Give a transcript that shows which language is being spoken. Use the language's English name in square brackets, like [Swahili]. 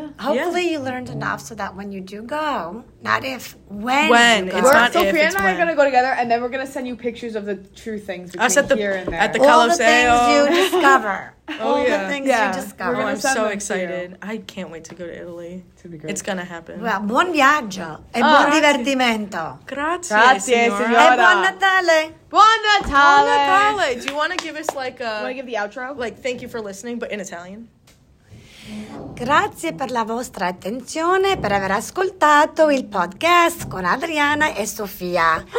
[English] hopefully you learned enough so that when you do go, not if, when. When. You go. It's not Sophia if, and it's I when. Are going to go together, and then we're going to send you pictures of the true things between here and there. At the Coliseo. All the things you discover. All the things you discover. We're gonna I'm so excited. I can't wait to go to Italy. It's going to be great. It's going to happen. [Italian] Well, buon viaggio e buon divertimento. Grazie, signora. E buon Natale. Buon Natale. Buon Natale. [English] Do you want to give us like a... Want to give the outro? Like, thank you for listening, but in Italian. [Italian] Grazie per la vostra attenzione per aver ascoltato il podcast con Adriana e Sofia.